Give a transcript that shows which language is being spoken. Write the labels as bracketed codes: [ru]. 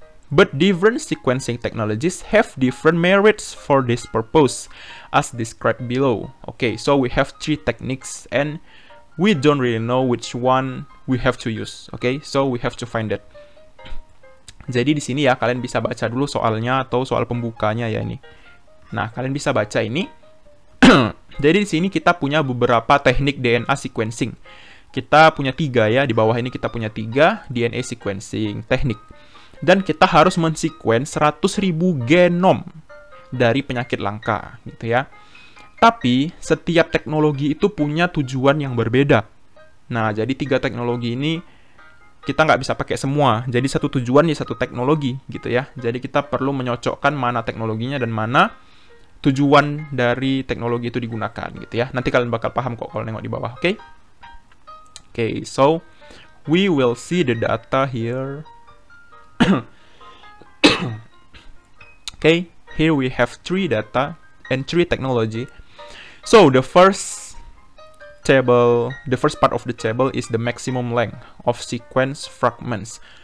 [en] But different sequencing technologies have different merits for this purpose, as described below. Okay, so we have three techniques and we don't really know which one we have to use. Okay, so we have to find it. [id] Jadi di sini ya, kalian bisa baca dulu soalnya atau soal pembukanya ya ini. Nah, kalian bisa baca ini. Jadi di sini kita punya beberapa teknik DNA sequencing. Kita punya tiga ya, di bawah ini kita punya tiga DNA sequencing teknik. Dan kita harus mensequence 100.000 genom dari penyakit langka, gitu ya. Tapi setiap teknologi itu punya tujuan yang berbeda. Nah, jadi tiga teknologi ini kita nggak bisa pakai semua. Jadi satu tujuan ya satu teknologi, gitu ya. Jadi kita perlu menyocokkan mana teknologinya dan mana tujuan dari teknologi itu digunakan, gitu ya. Nanti kalian bakal paham kok kalau nengok di bawah, oke? Okay? [en] Okay, so we will see the data here. Okay, here we have three data and three technology. So the first table, the first part of the table is the maximum length of sequence fragments.